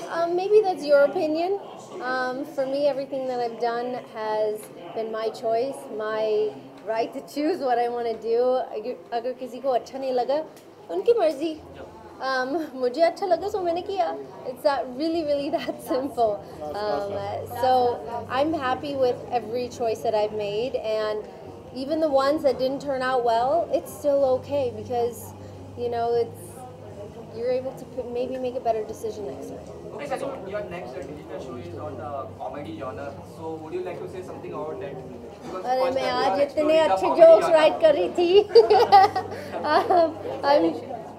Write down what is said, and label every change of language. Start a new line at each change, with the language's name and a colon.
English: Maybe that's your opinion. For me, everything that I've done has been my choice, my right to choose what I want to do.
Hindi: अगर किसी को अच्छा नहीं लगा, उनकी मर्ज़ी. मुझे अच्छा लगा, सो मैंने किया.
English: It's that really, really that simple. So I'm happy with every choice that I've made, and even the ones that didn't turn out well, it's still okay because, you know, you're able to maybe make a better decision next time. Okay, so your next digital show is on the comedy genre. So would you like to say something about that?
Hindi: अरे मैं आज इतने अच्छे jokes right कर रही थी.